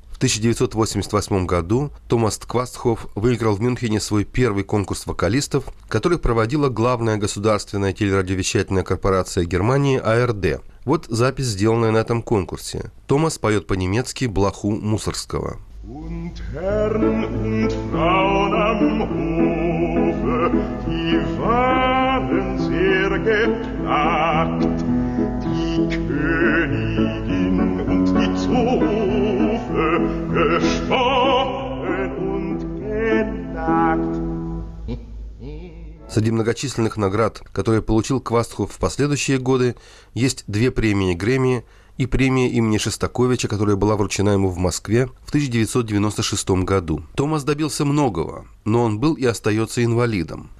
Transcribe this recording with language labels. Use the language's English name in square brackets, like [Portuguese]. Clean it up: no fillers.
[Russian] В 1988 году Томас Квастхоф выиграл в Мюнхене свой первый конкурс вокалистов, который проводила главная государственная телерадиовещательная корпорация Германии ARD. Вот запись, сделанная на этом конкурсе. Томас поет по-немецки «Блоху Мусоргского». [German] Und Herren und Frauen am Hofe, die waren sehr geplagt, die Königin und die Zofe, gestochen und gelagt. [Russian] Среди многочисленных наград, которые получил Квастхоф в последующие годы, есть 2 премии Грэмми и премия имени Шостаковича, которая была вручена ему в Москве в 1996 году. Томас добился многого, но он был и остается инвалидом.